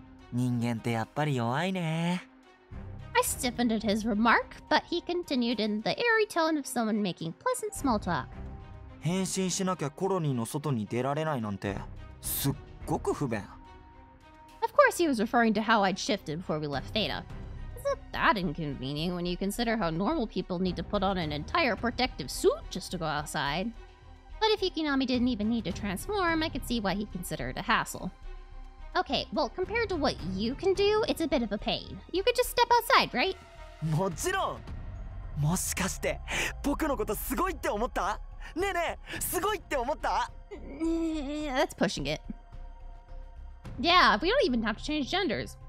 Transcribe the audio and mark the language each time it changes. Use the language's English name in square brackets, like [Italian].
[Japanese] 人間ってやっぱり弱いね。 [English] I stiffened at his remark, but he continued in the airy tone of someone making pleasant small talk. [Japanese] 変身しなきゃコロニーの外に出られないなんて、すっごく不便。 [English] Of course he was referring to how I'd shifted before we left Theta. Isn't that inconvenient when you consider how normal people need to put on an entire protective suit just to go outside? But if Yukinami didn't even need to transform, I could see why he considered it a hassle. Okay, well, compared to what you can do, it's a bit of a pain. You could just step outside, right? [Japanese] もちろん。もしかして、僕のことすごいって思った?ねえねえ、すごいって思った? [English] That's pushing it. Yeah, we don't even have to change genders.